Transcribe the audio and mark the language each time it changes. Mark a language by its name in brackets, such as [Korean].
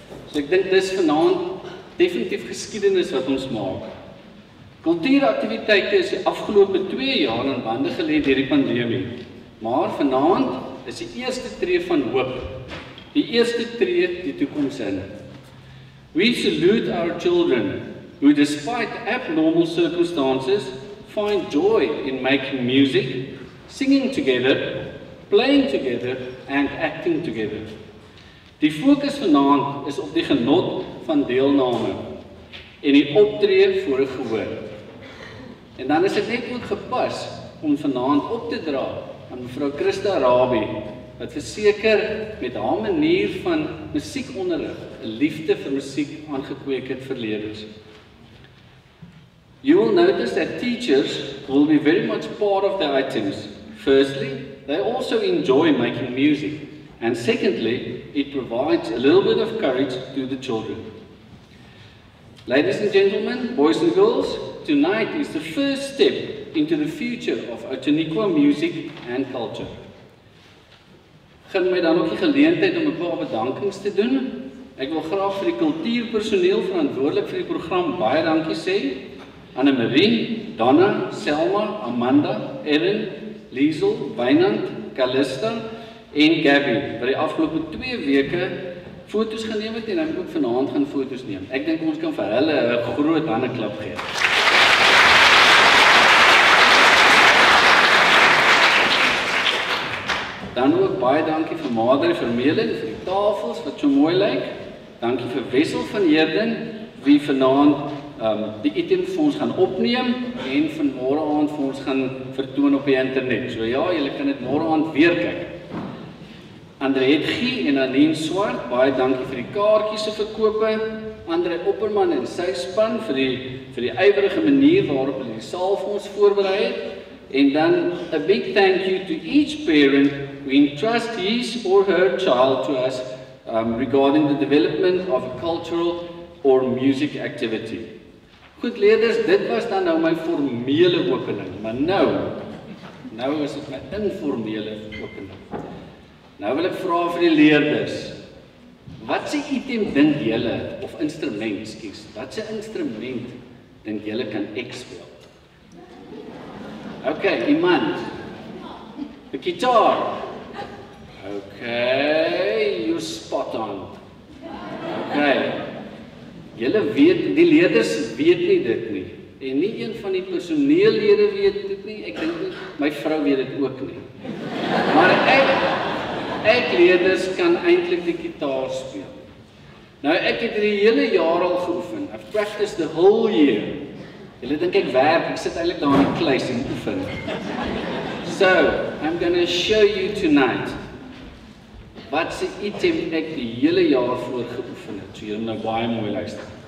[Afrikaans] So ek dink dis vanaand definitief geskiedenis wat ons maak. Kultuuraktiwiteite is die afgelope 2 jaar in bande gelê deur die pandemie. Maar vanaand is die eerste tree van hoop. Die eerste tree die toekoms in. [English] We salute our children who despite abnormal circumstances find joy in making music, singing together, playing together and acting together. [Afrikaans] Die fokus vanaand is op die genot van deelname en die optree voor 'n gehoor. En dan is dit net ook gepas om vanaand op te dra aan mevrou Christa Rabie, wat verseker met haar manier van musiekonderrig 'n liefde vir musiek aangekweek het vir leerders. [English] You will notice that teachers will be very much part of the items. Firstly, they also enjoy making music. And secondly, it provides a little bit of courage to the children. Ladies and gentlemen, boys and girls, tonight is the first step into the future of Outeniqua music and culture. [Afrikaans] Gun my dan ook die geleentheid om 'n paar bedankings te doen. Ek wil graag vir die kultuurpersoneel verantwoordelik vir die program baie dankie sê. Anne Marie, Donna, Selma, Amanda, Erin, Liesel, Wynand, Calista en Gabby, wat die afgelope 2 weke foto's geneem het en ook vanaand gaan foto's neem. Ek dink ons kan vir hulle 'n groot hande klap gee. Dan ook baie dankie vir Madre Vermeulen vir die tafels wat so mooi lyk. Dankie vir Wessel van Heerden wie vanaand die item vir ons gaan opneem en vanmôre aand vir ons gaan vertoon op die internet. So ja, julle kan dit môre aand weer kyk. Andre Hetgie en Aline Swart, baie dankie vir die kaartjies se verkope. Andre Opperman en sy span vir die ywerige manier waarop hulle die saal vir ons voorberei het. En dan [English] a big thank you to each parent who entrust his or her child to us regarding the development of a cultural or music activity. [Afrikaans] Goed leerders, dit was dan nou my formele opening, maar nou is dit my informele opening. Nou wil ek vra vir die leerders, wat se item dink julle of instrument, skus, wat se instrument dink julle kan ek speel? Okay, iemand. Die gitaar. [English] Okay, you spot on. Okay. [Afrikaans] Julle weet, die leerders weet nie dit nie en nie een van die personeellede weet dit nie. Ek dink my vrou weet dit ook nie. Maar ek leerders kan eintlik die gitaar speel. Nou ek het hierdie hele jaar al geoefen. [English] I've practiced the whole year. [Afrikaans] Julle dink ek werk, ek sit eintlik daar in die kluis en oefen. [English] So, I'm going to show you tonight. [Afrikaans] Wat se item ek die hele jaar voor geoefen het. So julle moet nou baie mooi luister.